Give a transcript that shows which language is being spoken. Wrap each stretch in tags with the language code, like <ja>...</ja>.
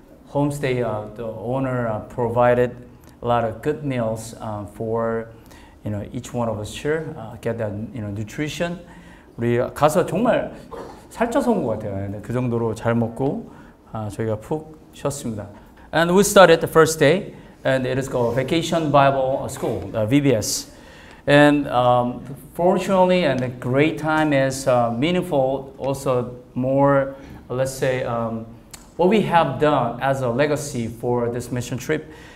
<en>Homestay, the owner provided a lot of good meals for, you know, each one of us here, get that, you know, nutrition.</en> <ko>우리 가서 정말 살쪄서 온 것 같아요. 그 정도로 잘 먹고 저희가 푹 쉬었습니다.</ko> <en>And we started the first day, and it is called Vacation Bible School, VBS. And fortunately, and a great time is meaningful also more, let's say, what we have done as a legacy for this mission trip.</en>